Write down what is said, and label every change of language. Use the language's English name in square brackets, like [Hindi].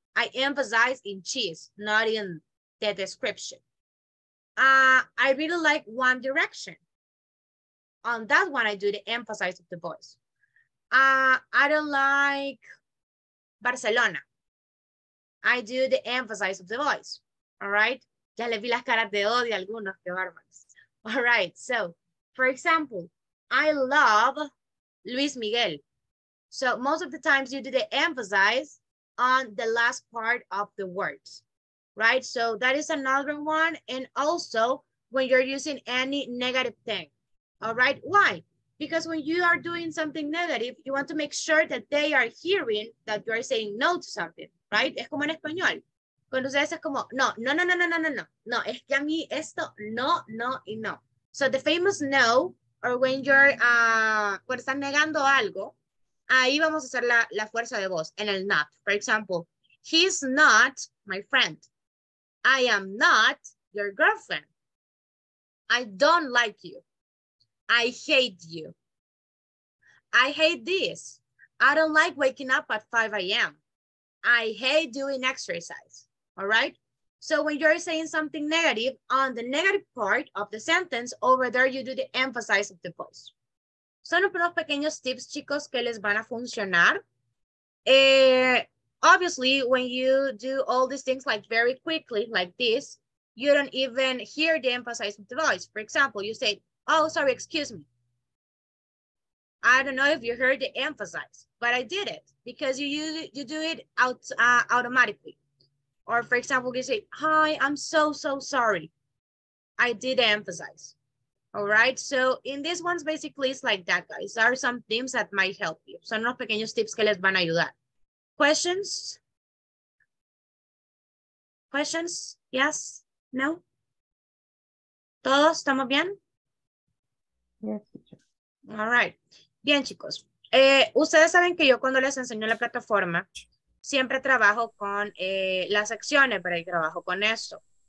[English] I emphasize in cheese, not in the description. I really like One Direction. On that one, I do the emphasize of the voice. I don't like Barcelona. I do the emphasize of the voice, all right? [Spanish] Ya le vi las caras de odio algunos, qué bárbaros. [English] All right, so, for example, I love Luis Miguel. So most of the times you do the emphasize on the last part of the words, right? So that is another one. And also when you're using any negative thing, all right? Why? Because when you are doing something negative, you want to make sure that they are hearing that you are saying no to something, right? [Spanish] Es como en español. Cuando ustedes es como, no, es que a mí esto, no. [English] So the famous no, or when you're, [Spanish] cuando están negando algo, ahí vamos a hacer la fuerza de voz en el [English] not. For example, he's not my friend. I am not your girlfriend. I don't like you. I hate you. I hate this. I don't like waking up at 5 a.m. I hate doing exercise. All right? So when you're saying something negative, on the negative part of the sentence, over there you do the emphasis of the voice. [Spanish] Son unos pequeños tips, chicos, que les van a funcionar. [English] Obviously, when you do all these things like very quickly, like this, you don't even hear the emphasis of the voice. For example, you say, oh, sorry, excuse me. I don't know if you heard the emphasis, but I did it because you do it automatically. Or for example, you say, hi, I'm so sorry. I did emphasis. All right, so in this one's basically it's like that, guys. There are some themes that might help you. [Spanish] Son unos pequeños tips que les van a ayudar. [English] Questions? Questions? Yes? No? [Spanish] ¿Todos estamos bien? [English] Yes, teacher. All right. [Spanish] Bien, chicos. Ustedes saben que yo cuando les enseño la plataforma, siempre trabajo con las secciones, pero trabajo con esto.